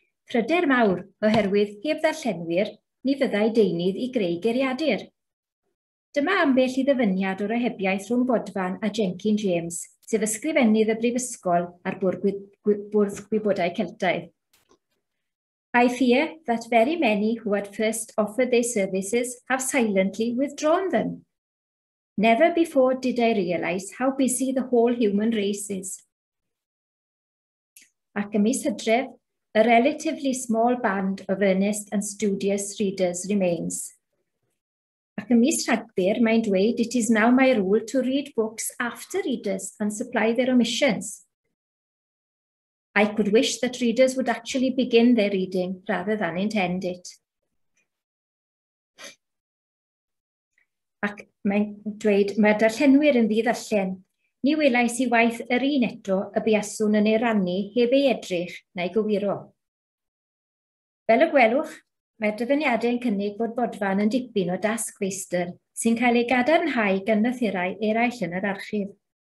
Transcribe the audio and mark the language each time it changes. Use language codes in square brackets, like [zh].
[cy] Pryder mawr oherwydd heb ddarllenwyr, ni fyddai deunydd i greu geiriadur. Dyma ambell i ddyfyniad o'r ohebiaeth rhwng bodfan a Jenkin James, sef ysgrifennydd y Brifysgol a'r Bwrdd Gwybodau Celtaidd. [en] I fear that very many who had first offered their services have silently withdrawn them. Never before did I realise how busy the whole human race is. [cy] Ac ym mis Hydref, [en] a relatively small band of earnest and studious readers remains. [cy] Ac ym mis Rhagfyr, mae'n dweud, [en] it is now my rule to read books after readers and supply their omissions. I could wish that readers would actually begin their reading rather than intend it. [cy] Ac mae'n dweud, mae'r darllenwyr yn ddiddarllen. Ni welais i waith yr un eto y buaswn yn ei rannu heb ei edrych neu gywiro. Fel y gwelwch, mae'r dyfyniadau'n cynnig bod bodfan yn dipyn o dasg feistr sy'n cael ei gadarnhau gan lythyrau eraill yn yr archif.